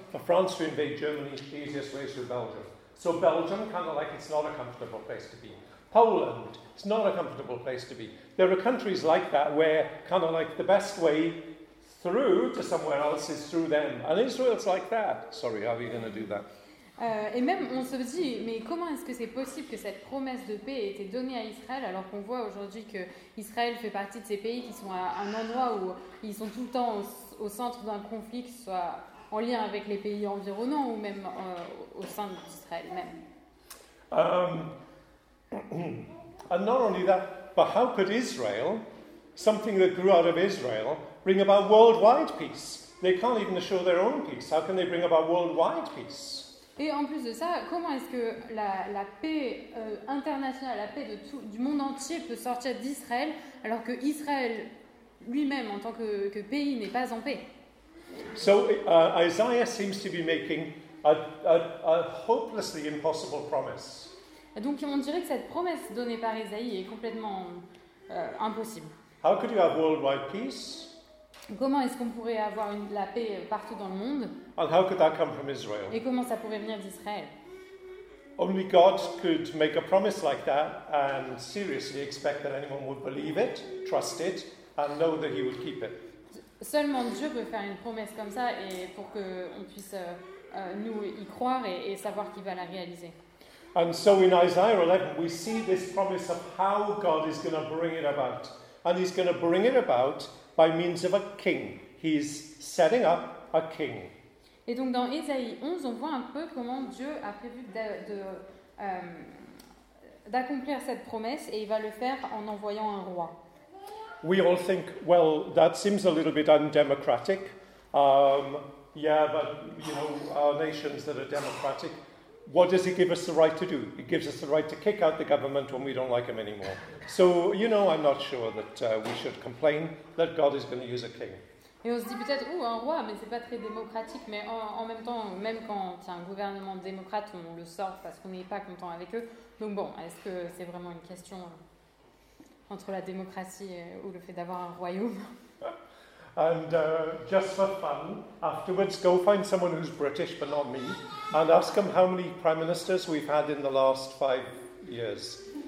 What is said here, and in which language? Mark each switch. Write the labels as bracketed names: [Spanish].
[English] For France to invade Germany, the easiest way is through Belgium. So Belgium, kind of like, it's not a comfortable place to be. Poland, it's not a comfortable place to be. There are countries like that where, kind of like, the best way through to somewhere else is through them. And Israel's like that. Sorry, how are you going to do that? [French] Et même, on se dit, mais comment est-ce que c'est possible que cette promesse de paix ait été donnée à Israël alors qu'on voit aujourd'hui que Israël fait partie de ces pays qui sont à un endroit où ils sont tout le temps au centre d'un conflit, que ce soit en lien avec les pays environnants ou même au sein d'Israël même. [English] And not only that, but how could Israel, something that grew out of Israel, bring about worldwide peace? They can't even assure their own peace. How can they bring about worldwide peace? [French] Et en plus de ça, comment est-ce que la paix internationale, la paix du monde entier peut sortir d'Israël alors que Israël lui-même en tant que pays n'est pas en paix? [English] So Isaiah seems to be making a hopelessly impossible promise. [French] Et donc on dirait que cette promesse donnée par Isaïe est complètement impossible. [English] How could you have worldwide peace? [French] Comment est-ce qu'on pourrait avoir la paix partout dans le monde? [English] And how could that come from Israel? [French] Et comment ça pourrait venir d'Israël? [English] Only God could make a promise like that and seriously expect that anyone would believe it, trust it, and know that he would keep it. [French] Seulement Dieu peut faire une promesse comme ça et pour qu'on puisse nous y croire et savoir qu'il va la réaliser. [English] And so in Isaiah 11, we see this promise of how God is going to bring it about. And he's going to bring it about by means of a king. He's setting up a king. [French] Et donc dans Ésaïe 11, on voit un peu comment Dieu a prévu de d'accomplir cette promesse et il va le faire en envoyant un roi. [English] We all think, well, that seems a little bit undemocratic. Yeah, but you know, our nations that are democratic, what does it give us the right to do? It gives us the right to kick out the government when we don't like them anymore. So, you know, I'm not sure that we should complain that God is going to use a king. [French] Et on se dit peut-être, ouh, un roi, mais c'est pas très démocratique. Mais en même temps, même quand c'est un gouvernement démocrate, on le sort parce qu'on n'est pas content avec eux. Donc bon, est-ce que c'est vraiment une question entre la démocratie ou le fait d'avoir un royaume? [English] And just for fun, afterwards, go find someone who's British but not me, and ask them how many prime ministers we've had in the last 5 years.